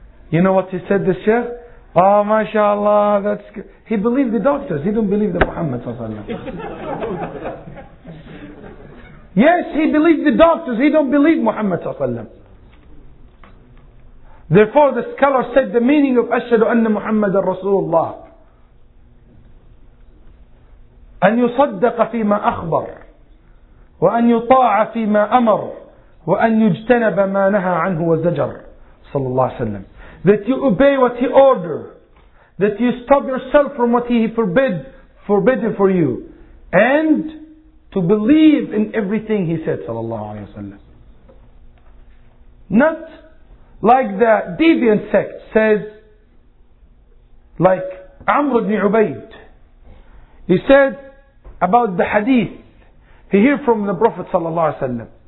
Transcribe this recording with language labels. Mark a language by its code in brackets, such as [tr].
[en] You know what he said, the Sheikh? Oh, mashallah, that's good. He believed the doctors. He didn't believe the Muhammad sallallahu alaihi wasallam. Yes, he believed the doctors. He don't believe Muhammad sallallahu. Therefore, the scholar said the meaning of Ashhadu anna Muhammad al-Rasulullah. [ar] أن يصدق فيما أخبر وأن يطاع فيما أمر وأن يجتنب ما نهى عنه وزجر صلى الله عليه وسلم. [en] That you obey what he ordered, that you stop yourself from what he forbidden for you, and to believe in everything he said [ar] صلى الله عليه وسلم. [en] Not like the deviant sect says, like Amr ibn Ubayd, he said about the hadith he hear from the Prophet [ar] صلى الله عليه وسلم.